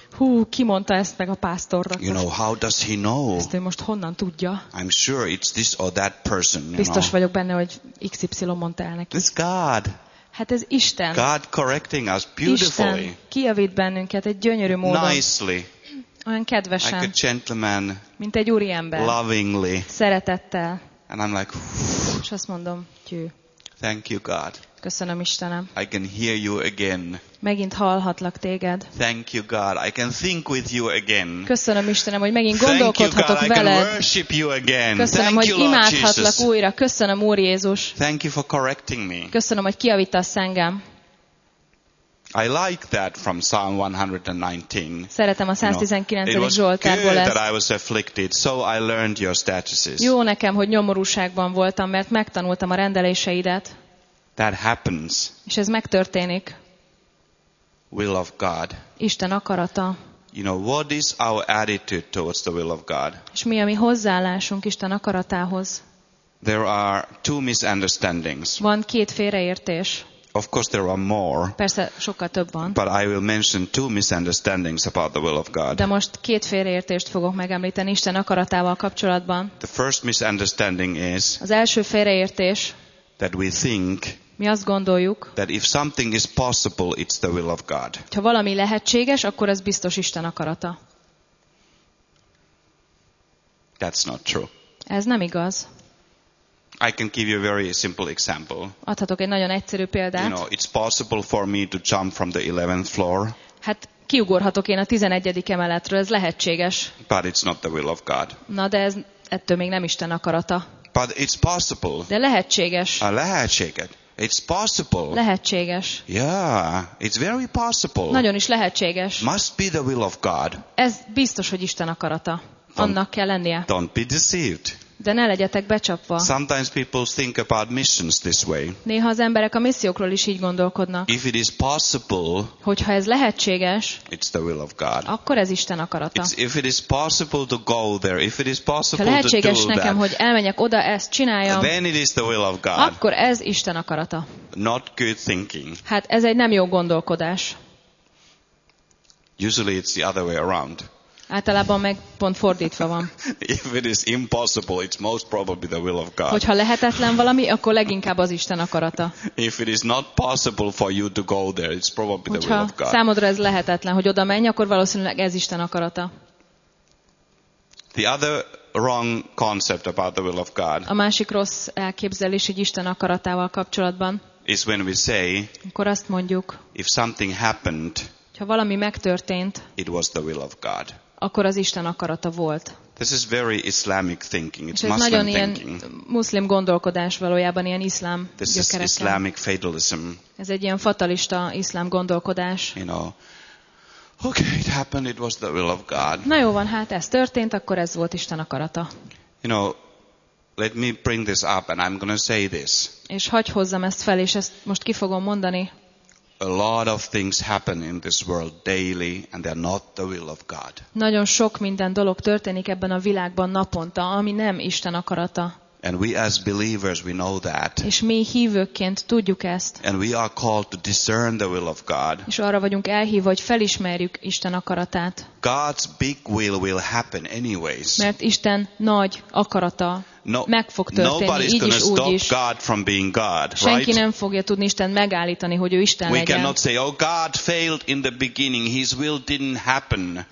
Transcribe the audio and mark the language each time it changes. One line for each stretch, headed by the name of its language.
Hungarian: Hú, ki mondta ezt meg a pásztornak?
English: You know, how does he know?
Hungarian: Ezt ő most honnan tudja?
English: I'm sure it's this or that person, you know.
Hungarian: Biztos vagyok benne, hogy XY mondta el neki.
English: It's God.
Hungarian: Hát ez Isten.
English: God correcting us beautifully.
Hungarian: Isten kijavít bennünket egy gyönyörű módon.
English: Nicely.
Hungarian: Olyan kedvesen.
English: Like a gentleman.
Hungarian: Mint egy úriember.
English: Lovingly.
Hungarian: Szeretettel.
English: And I'm like,
Hungarian: és azt mondom, tyű.
English: Thank you, God.
Hungarian: Köszönöm, Istenem.
English: I can hear you again.
Hungarian: Megint hallhatlak téged.
English: Thank you, God. I can think with you again.
Hungarian: Köszönöm, Istenem, hogy megint gondolkodhatok
English: Thank you, God.
Hungarian: Veled.
English: I can worship you again.
Hungarian: Köszönöm,
English: Thank
Hungarian: hogy
English: you,
Hungarian: imádhatlak
English: Jesus.
Hungarian: Újra. Köszönöm, Úr Jézus.
English: Thank you for correcting me.
Hungarian: Köszönöm, hogy kijavítasz engem.
English: I like that from Psalm 119.
Hungarian: Szeretem a 119. Zsoltárból ezt.
English: It was good that I was afflicted, so I learned your statutes.
Hungarian: Jó nekem, hogy nyomorúságban voltam, mert megtanultam a rendeléseidet.
English: That happens.
Hungarian: És ez megtörténik.
English: Will of God.
Hungarian: Isten akarata.
English: You know, what is our attitude towards the will of God?
Hungarian: És mi a mi hozzáállásunk Isten akaratához?
English: There are two misunderstandings.
Hungarian: Van két félreértés.
English: Of course there are more.
Hungarian: Persze sokkal több van.
English: But I will mention two misunderstandings about the will of God.
Hungarian: De most két félreértést fogok megemlíteni Isten akaratával kapcsolatban.
English: The first misunderstanding is.
Hungarian: Az első félreértés.
English: That we think.
Hungarian: Mi azt gondoljuk,
English: that if something is possible, it's the will of God.
Hungarian: Ha valami lehetséges, akkor az biztos Isten akarata.
English: That's not true.
Hungarian: Ez nem igaz.
English: I can give you a very simple example.
Hungarian: Adhatok egy nagyon egyszerű példát.
English: You know, it's possible for me to jump from the 11th floor.
Hungarian: Hát kiugorhatok én a 11. emeletről, ez lehetséges.
English: But it's not the will of God.
Hungarian: Na de ez ettől még nem Isten akarata.
English: But it's possible.
Hungarian: De lehetséges. A lehetséged.
English: It's possible.
Hungarian: Lehetséges.
English: Yeah, it's very possible.
Hungarian: Nagyon is lehetséges.
English: Must be the will of God.
Hungarian: Ez biztos, hogy Isten akarata. Annak kell lennie.
English: Don't be deceived.
Hungarian: De ne legyetek becsapva.
English: Sometimes people think about missions this way.
Hungarian: Néha az emberek a missziókról is így gondolkodnak.
English: If it is possible,
Hungarian: hogyha ez lehetséges,
English: it's the will of God.
Hungarian: Akkor ez Isten akarata.
English: It's, if it is possible to go there, if it is possible to do
Hungarian: lehetséges nekem, hogy elmenjek oda, ezt csináljam,
English: then it is the will of God.
Hungarian: Akkor ez Isten akarata.
English: Not good thinking.
Hungarian: Hát ez egy nem jó gondolkodás.
English: Usually it's the other way around.
Hungarian: Általában meg pont fordítva van.
English: If it is impossible, it's most probably the will of God.
Hungarian: Hogyha lehetetlen valami, akkor leginkább az Isten akarata.
English: If it is not possible for you to go there, it's probably the will of God.
Hungarian: Számodra ez lehetetlen, hogy oda menj, akkor valószínűleg ez Isten akarata.
English: The other wrong concept about the will of God.
Hungarian: A másik rossz elképzelés egy Isten akaratával kapcsolatban.
English: Is when we say.
Hungarian: Akkor azt mondjuk.
English: If something happened.
Hungarian: Ha valami megtörtént.
English: It was the will of God.
Hungarian: Akkor az Isten akarata volt.
English: This is very Islamic thinking. It's
Hungarian: ez
English: Muslim
Hungarian: nagyon
English: thinking.
Hungarian: Ilyen muszlim gondolkodás, valójában ilyen iszlám gyökereken.
English: This is Islamic fatalism.
Hungarian: Ez egy ilyen fatalista iszlám gondolkodás.
English: You know, okay, it happened, it was the will of God.
Hungarian: Na jó van, hát ez történt, akkor ez volt Isten akarata.
English: You know, let me bring this up and I'm going to say this.
Hungarian: És hagyj hozzam ezt fel, és ezt most ki fogom mondani.
English: A lot of things happen in this world daily and they are not the will of God.
Hungarian: Nagyon sok minden dolog történik ebben a világban naponta, ami nem Isten akarata.
English: And we as believers we know that.
Hungarian: És mi hívőként tudjuk ezt.
English: And we are called to discern the will of God.
Hungarian: És arra vagyunk elhívva, hogy felismerjük Isten akaratát.
English: God's big will happen anyways.
Hungarian: Mert Isten nagy akarata meg fog történni, így is, úgy is.
English: God from being God, right?
Hungarian: Senki nem fogja tudni Isten megállítani, hogy ő Isten
English: we
Hungarian: legyen.
English: We cannot say, oh, God failed in the beginning, His will didn't happen.